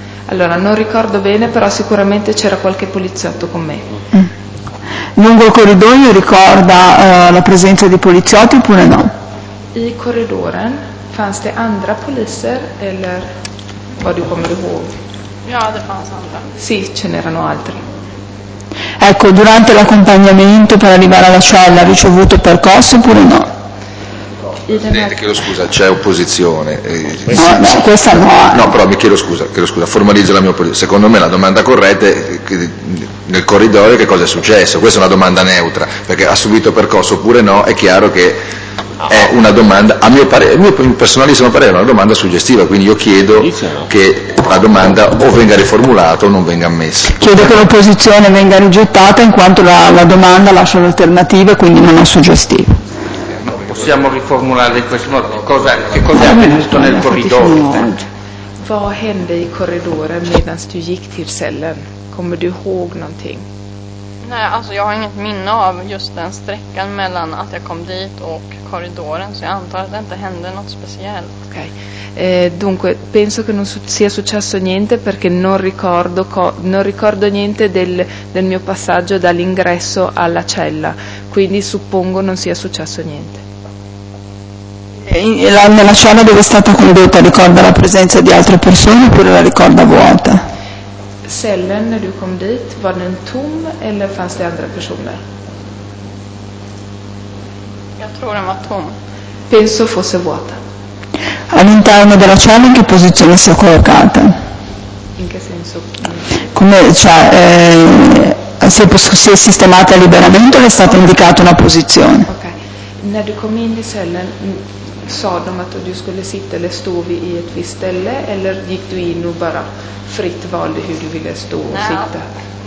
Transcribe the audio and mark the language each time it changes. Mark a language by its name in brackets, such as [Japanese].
[Italian] Allora, non ricordo bene, però sicuramente c'era qualche poliziotto con me. Lungo il corridoio ricorda la presenza di poliziotti oppure no? [Swedish] I corridoren fanns det andra poliser eller vad du kommer ihåg? Ja, det fanns andra. [Italian] Sì, ce n'erano altri. Ecco, durante l'accompagnamento per arrivare alla cella ha ricevuto percosse oppure no? Presidente, chiedo scusa, c'è opposizione. Chiedo scusa, formalizzo la mia opposizione. Secondo me la domanda corretta è nel corridoio che cosa è successo. Questa è una domanda neutra, perché ha subito percosse oppure no, è chiaro che è una domanda, a mio parere, il mio personalissimo parere, è una domanda suggestiva, quindi io chiedo che la domanda o venga riformulata o non venga ammessa. Chiedo che l'opposizione venga rigettata in quanto la domanda lascia l'alternativa e quindi non è suggestiva. Possiamo riformulare in questo modo, che cosa è avvenuto nel corridoio? [Swedish] Vad hände i korridoren medan du gick till cellen? Kommer du ihåg någonting? Nej, alltså jag har inget minne av just den sträckan mellan att jag kom dit och korridoren, så jag antar att det inte hände något speciellt. Okay. [Italian] Dunque, penso che non sia successo niente perché non ricordo niente del mio passaggio dall'ingresso alla cella, quindi suppongo non sia successo niente. Nella cella dove è stata condotta ricorda la presenza di altre persone oppure la ricorda vuota? Cellen när du kom dit, var den tom eller fanns det andra personer? Jag tror den var tom. Penso fosse vuota. All'interno della cella in che posizione si è collocata? In che senso? Se è sistemata liberamente o le è stata indicata una posizione? Ok. [Swedish] När du kom in i cellen, sa de att du skulle sitta eller stå vid i ett visst ställe eller gick du in och bara fritt valde hur du ville stå och sitta?